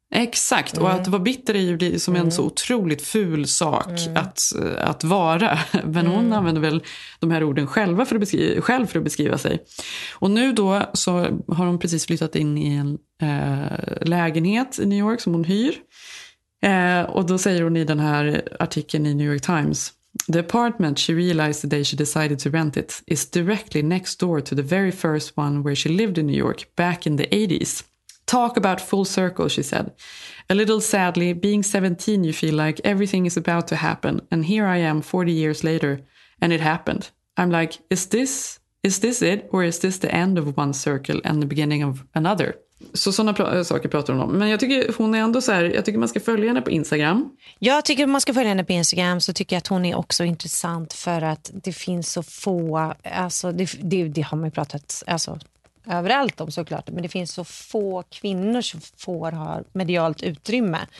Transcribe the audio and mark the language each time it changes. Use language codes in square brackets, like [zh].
[sv] Exakt, och att vara bitter är ju som en så otroligt ful sak att vara. Men hon använder väl de här orden själva för att beskriva sig. Och nu då så har hon precis flyttat in i en lägenhet i New York som hon hyr. Och då säger hon i den här artikeln i New York Times: [en] "The apartment she realized the day she decided to rent it is directly next door to the very first one where she lived in New York back in the 80s. Talk about full circle, she said. A little sadly, being 17 you feel like everything is about to happen. And here I am 40 years later, and it happened. I'm like, is this it? Or is this the end of one circle and the beginning of another?" [sv] Så sådana saker pratar hon om. Men jag tycker hon är ändå så här, jag tycker man ska följa henne på Instagram. Jag tycker man ska följa henne på Instagram, så tycker jag att hon är också intressant för att det finns så få, alltså det har man ju pratat, alltså... överallt om såklart, men det finns så få kvinnor som får ha medialt utrymme.